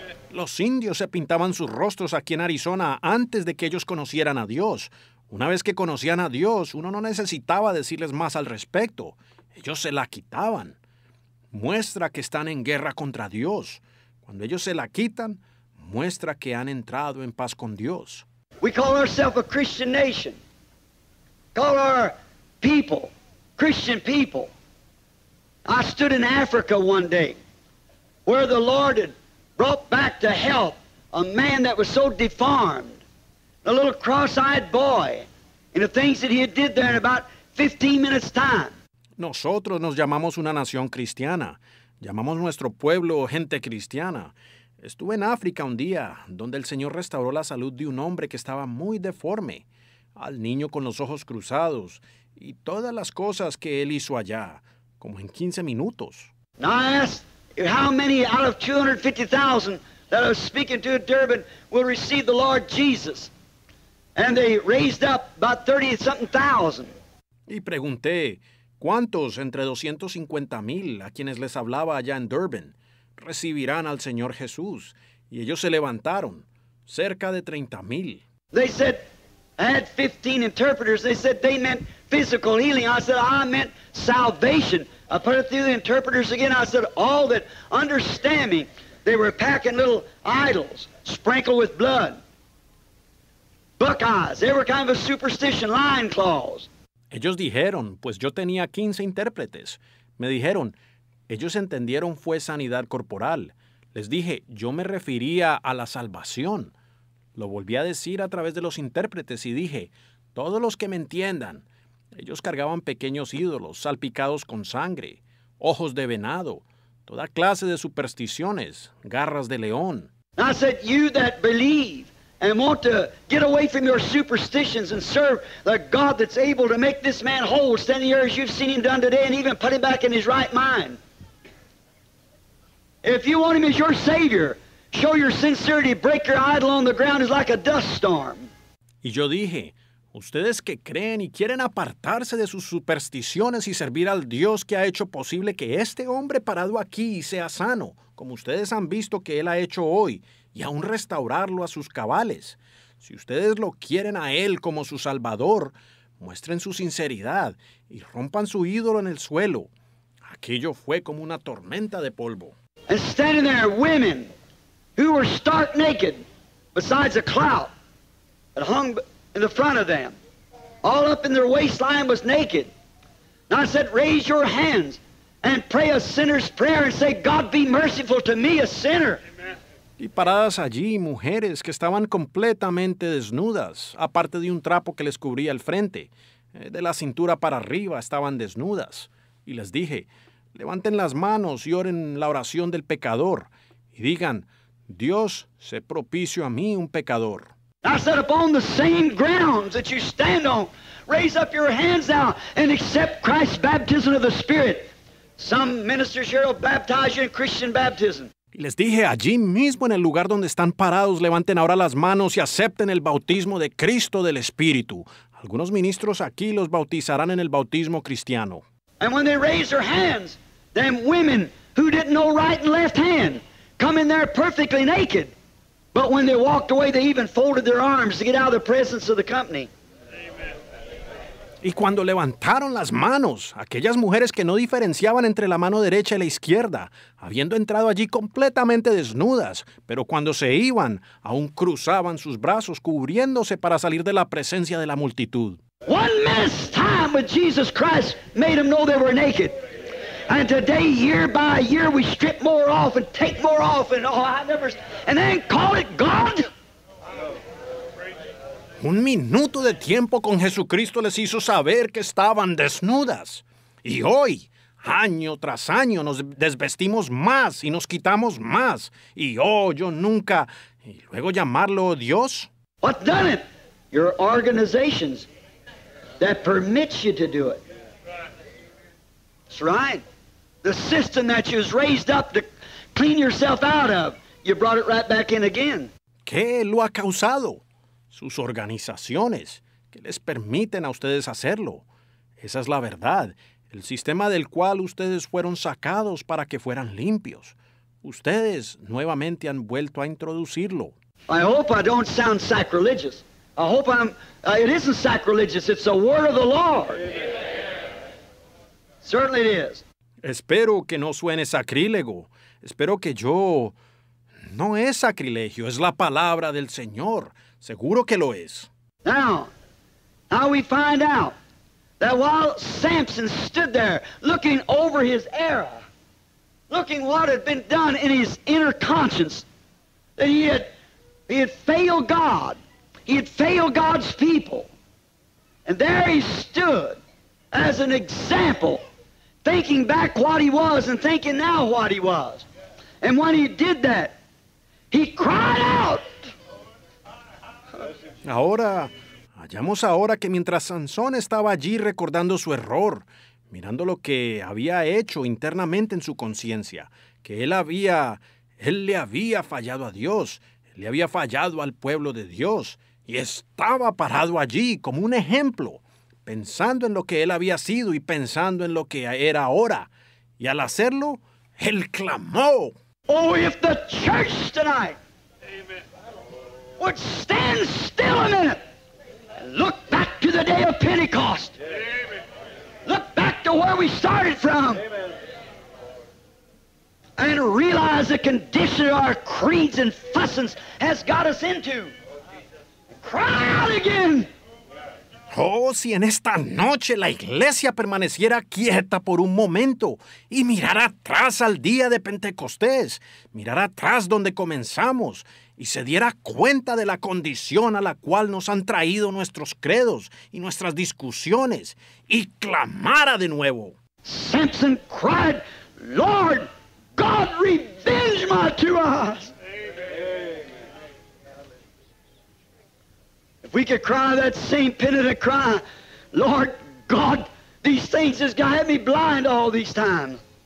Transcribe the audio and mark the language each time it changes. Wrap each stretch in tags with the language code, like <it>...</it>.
<es>Los indios se pintaban sus rostros aquí en Arizona antes de que ellos conocieran a Dios. Una vez que conocían a Dios, uno no necesitaba decirles más al respecto. Ellos se la quitaban. Muestra que están en guerra contra Dios. Cuando ellos se la quitan, muestra que han entrado en paz con Dios.</es> <en>We call ourselves a Christian nation. Call our people Christian people. I stood in Africa one day where the Lord had brought back to health a man that was so deformed, a little cross-eyed boy, and the things that he had did there in about 15 minutes' time.</en> <es>Nosotros nos llamamos una nación cristiana. Llamamos nuestro pueblo gente cristiana. Estuve en África un día, donde el Señor restauró la salud de un hombre que estaba muy deforme, al niño con los ojos cruzados, y todas las cosas que él hizo allá, como en 15 minutos.</es> <en>Now I asked, how many out of 250,000 that are speaking to Durban will receive the Lord Jesus? And they raised up about 30-something thousand.</en> <es>Y pregunté, ¿cuántos entre 250,000 a quienes les hablaba allá en Durban recibirán al Señor Jesús? Y ellos se levantaron, cerca de 30,000.</es> <en>They said, I had 15 interpreters. They said they meant physical healing. I said, I meant salvation. I put it through the interpreters again. I said, all that understand me, they were packing little idols, sprinkled with blood, buckeyes, every kind of a superstition, lion claws.</en> <es>Ellos dijeron, pues yo tenía 15 intérpretes. Me dijeron, ellos entendieron fue sanidad corporal. Les dije, yo me refería a la salvación. Lo volví a decir a través de los intérpretes y dije, todos los que me entiendan. Ellos cargaban pequeños ídolos salpicados con sangre, ojos de venado, toda clase de supersticiones, garras de león.</es> <en>I said, you that believe and want to get away from your superstitions and serve the God that's able to make this man whole, standing here as you've seen him done today and even put him back in his right mind. If you want him as your savior, show your sincerity, break your idol on the ground is like a dust storm.</en> <es>Y yo dije, ustedes que creen y quieren apartarse de sus supersticiones y servir al Dios que ha hecho posible que este hombre parado aquí sea sano, como ustedes han visto que él ha hecho hoy, y aún restaurarlo a sus cabales. Si ustedes lo quieren a él como su salvador, muestren su sinceridad y rompan su ídolo en el suelo. Aquello fue como una tormenta de polvo.</es> <en>And standing there, women who were stark naked besides a clout that hung in the front of them, all up in their waistline was naked. And I said, raise your hands and pray a sinner's prayer and say, God be merciful to me, a sinner.</en> <es>Y paradas allí, mujeres que estaban completamente desnudas, aparte de un trapo que les cubría el frente. De la cintura para arriba estaban desnudas. Y les dije, levanten las manos y oren la oración del pecador. Y digan, Dios, sé propicio a mí, un pecador.</es> <en>I said, upon the same grounds that you stand on, raise up your hands now and accept Christ's baptism of the Spirit. Some ministers here will baptize you in Christian baptism.</en> <es>Y les dije, allí mismo en el lugar donde están parados, levanten ahora las manos y acepten el bautismo de Cristo del Espíritu. Algunos ministros aquí los bautizarán en el bautismo cristiano.</es> <en>And when they raise their hands, them women who didn't know right and left hand come in there perfectly naked. But when they walked away, they even folded their arms to get out of the presence of the company. Amen.</en> <es>Y cuando levantaron las manos, aquellas mujeres que no diferenciaban entre la mano derecha y la izquierda, habiendo entrado allí completamente desnudas, pero cuando se iban, aún cruzaban sus brazos, cubriéndose para salir de la presencia de la multitud.</es> <en>One man's time with Jesus Christ made them know they were naked. And today, year by year, we strip more off and take more off and oh, I never... And then call it God?</en> <es>Un minuto de tiempo con Jesucristo les hizo saber que estaban desnudas. Y hoy, año tras año, nos desvestimos más y nos quitamos más. Y oh, yo nunca... Y luego llamarlo Dios.</es> <en>What's done it? Your organizations that permit you to do it. That's right. The system that you was raised up to clean yourself out of, you brought it right back in again.</en> <es>¿Qué lo ha causado? Sus organizaciones, que les permiten a ustedes hacerlo. Esa es la verdad, el sistema del cual ustedes fueron sacados para que fueran limpios. Ustedes nuevamente han vuelto a introducirlo.</es> <en>I hope I don't sound sacrilegious. I hope I'm, it isn't sacrilegious, it's the word of the Lord. Certainly it is.</en> <es>Espero que no suene sacrílego. Espero que yo... No es sacrilegio, es la palabra del Señor. Seguro que lo es.</es> <en>Now we find out that while Samson stood there looking over his era, looking what had been done in his inner conscience, that he had failed God. He had failed God's people. And there he stood as an example, thinking back what he was and thinking now what he was. And when he did that, he cried out.</en> <es>Ahora, hallamos ahora que mientras Sansón estaba allí recordando su error, mirando lo que había hecho internamente en su conciencia, que él le había fallado a Dios, él le había fallado al pueblo de Dios, y estaba parado allí como un ejemplo, pensando en lo que él había sido y pensando en lo que era ahora. Y al hacerlo, él clamó.</es> <en>Oh, if the church tonight would stand still a minute and look back to the day of Pentecost. Amen. Look back to where we started from. Amen. And realize the condition our creeds and fussings has got us into. Cry out again.</en> <es>Oh, si en esta noche la iglesia permaneciera quieta por un momento y mirara atrás al día de Pentecostés, mirara atrás donde comenzamos y se diera cuenta de la condición a la cual nos han traído nuestros credos y nuestras discusiones y clamara de nuevo.</es> <en>Samson cried, Lord, God, revenge my to us. We could cry that same penitent cry, Lord God, these things has got me blind all these times.</en>